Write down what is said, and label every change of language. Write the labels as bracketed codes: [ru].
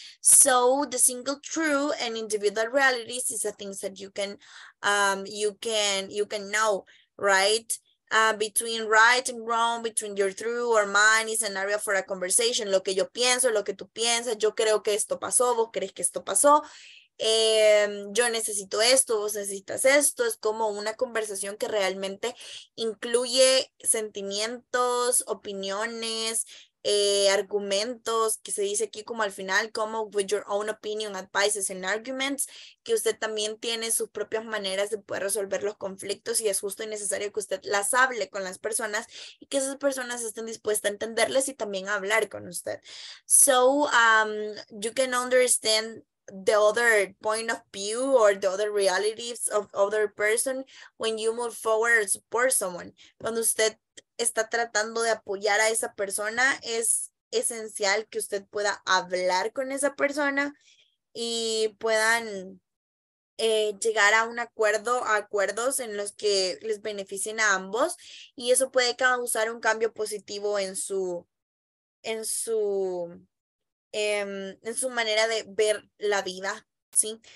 [en] So the single truth and individual realities is the things that you can know, right? Between right and wrong, between your true or mine is an area for a conversation. [es] Lo que yo pienso, lo que tú piensas, yo creo que esto pasó, vos crees que esto pasó. Yo necesito esto, vos necesitas esto, es como una conversación que realmente incluye sentimientos, opiniones, argumentos, que se dice aquí como al final, como [en] with your own opinion, advices and arguments, [es] que usted también tiene sus propias maneras de poder resolver los conflictos y es justo y necesario que usted las hable con las personas y que esas personas estén dispuestas a entenderles y también a hablar con usted. [en] So, you can understand the other point of view or the other realities of other person when you move forward and support someone. [es] Cuando usted está tratando de apoyar a esa persona, es esencial que usted pueda hablar con esa persona y puedan llegar a un acuerdo, a acuerdos en los que les beneficien a ambos y eso puede causar un cambio positivo en su manera de ver la vida, ¿sí?